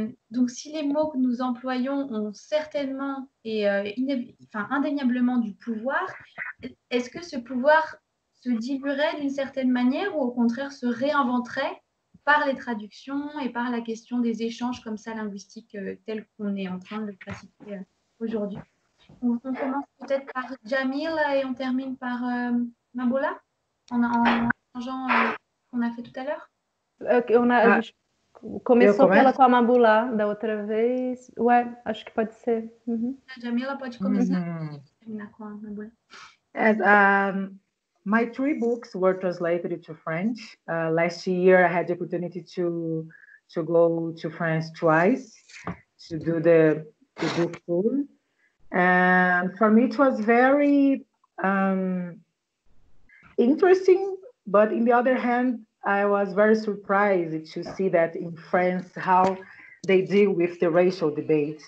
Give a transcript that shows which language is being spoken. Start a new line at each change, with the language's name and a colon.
French: Donc si les mots que nous employons ont certainement et indéniablement du pouvoir, est-ce que ce pouvoir se diluerait d'une certaine manière ou au contraire se réinventerait par les traductions et par la question des échanges comme ça linguistiques tels qu'on est en train de le pratiquer aujourd'hui? On commence peut-être par Djamila et on termine par Maboula en changeant ce qu'on a fait tout à l'heure. Okay, on a... ah.
Portuguese: Começou pela com a Maboula da outra vez. Ué, acho que pode ser. A Djamila pode começar. Uhum.
English: As, my three books were translated to French. Last year I had the opportunity to go to France twice to do the book tour. And for me it was very interesting, but on the other hand, I was very surprised to see that in France, how they deal with the racial debate.